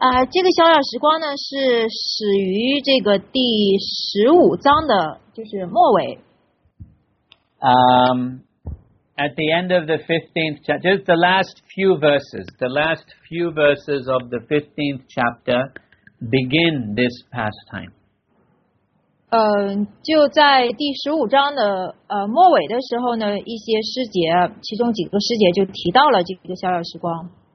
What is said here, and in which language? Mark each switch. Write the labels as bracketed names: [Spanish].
[Chinese] 这个小小时光呢是始于这个第十五章的，就是末尾。 [English] At the end of the 15th chapter, just the last few verses of the 15th chapter begin this pastime. [Chinese] 就在第十五章的末尾的时候呢，一些诗节，其中几个诗节就提到了这个小小时光。